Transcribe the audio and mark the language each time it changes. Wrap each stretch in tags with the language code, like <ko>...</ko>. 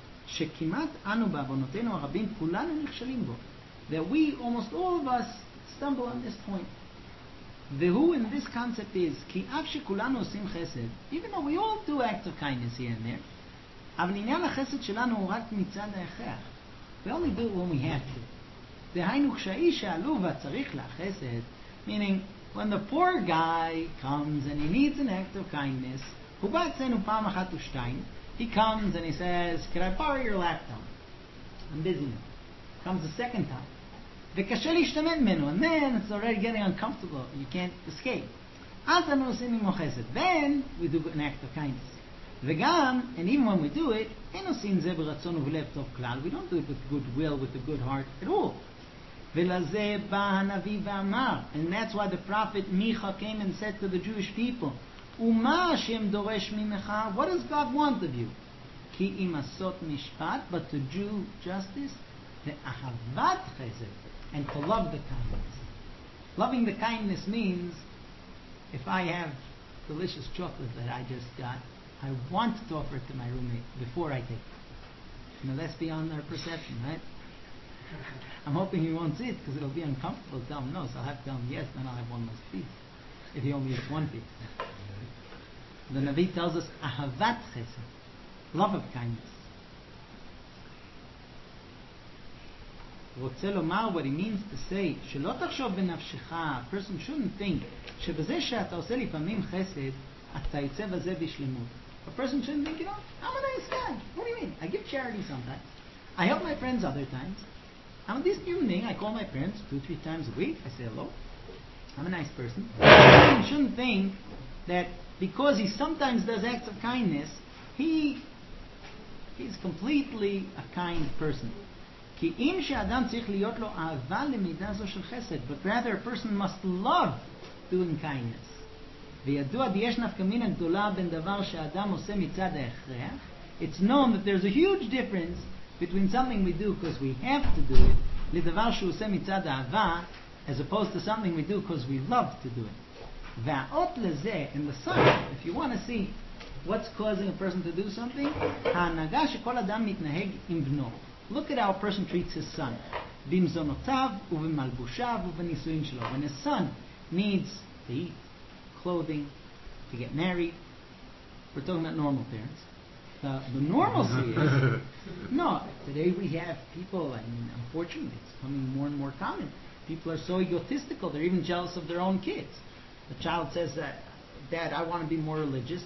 <he>שכמעט אנו בעוונותינו הרבים כולנו נכשלים בו.</he> <en>That we, almost all of us, stumble on this point. The who in this concept is,</en> <he>כי אף שכולנו עושים חסד,</he> <en>even though we all do acts of kindness here and there,</en> <he>אבל עניין החסד שלנו הוא רק מצד ההכרח.</he> <en>We only do when we have to.</en> <he>דהיינו כשהאיש העלוב צריך לחסד,</he> <en>meaning, when the poor guy comes and he needs an act of kindness,</en> <he>הוא בא אצלנו פעם אחת ושתיים,</he> <en>he comes and he says, can I borrow your laptop? I'm busy now. Comes a second time.</en> <he>וקשה להשתמד ממנו.</he> <en>And then it's already getting uncomfortable. You can't escape.</en> <he>אז אנו עושים עם מוחסת.</he> <en>Then we do an act of kindness.</en> <he>וגם,</he> <en>and even when we do it,</en> <he>אין עושים זה ברצון ובלב טוב כלל.</he> <en>We don't do it with good will, with a good heart at all.</en> <he>ולזה בא הנביא ואמר.</he> <en>And that's why the prophet Micha came and said to the Jewish people,</en> <he>ומה השם דורש ממך?</he> <en>What does God want of you?</en> <he>כי אם עשות משפט,</he> <en>but to do justice,</en> <he>ואהבת חסד,</he> <en>and to love the kindness. Loving the kindness means, if I have delicious chocolate that I just got, I want to offer it to my roommate before I take it. Now that's beyond our perception, right? I'm hoping he won't see it, because it'll be uncomfortable to tell him no, so I'll have to tell him yes, then I'll have one less piece. If he only has one piece. The Navi tells us, Ahavat Chesed, love of kindness.</en> <he>רוצה לומר</he> <en>what he means to say,</en> <he>שלא תחשוב בנפשך,</he> <en>a person shouldn't think,</en> <he>שבזה שאתה עושה לפעמים חסד, אתה יצא בזה בשלמות.</he> <en>A person shouldn't think, you know, I'm a nice guy. What do you mean? I give charity sometimes. I help my friends other times. I'm a decent human being. I call my parents 2-3 times a week. I say hello. I'm a nice person. A person shouldn't think that because he sometimes does acts of kindness, he's completely a kind person.</en> <he>כי אם שאדם צריך להיות לו אהבה למידה זו של חסד,</he> <en>but rather a person must love doing kindness.</en> <he>וידוע יש נפקא מינה גדולה בין דבר שאדם עושה מצד ההכרח.</he> <en>It's known that there's a huge difference between something we do because we have to do it,</en> <he>לדבר שהוא עושה מצד אהבה,</he> <en>as opposed to something we do because we love to do it.</en> <he>והאות לזה,</he> <en>in the sun, if you want to see what's causing a person to do something,</en> <he>ההנהגה שכל אדם מתנהג עם בנו.</he> <en>Look at how a person treats his son.</en> <he>במזונותיו ובמלבושיו ובנישואים שלו.</he> <en>When his son needs to eat, clothing, to get married, we're talking about normal parents. The normalcy is, no, today we have people, I mean, unfortunately, it's becoming more and more common. People are so egotistical, they're even jealous of their own kids. The child says, Dad, I want to be more religious.</en>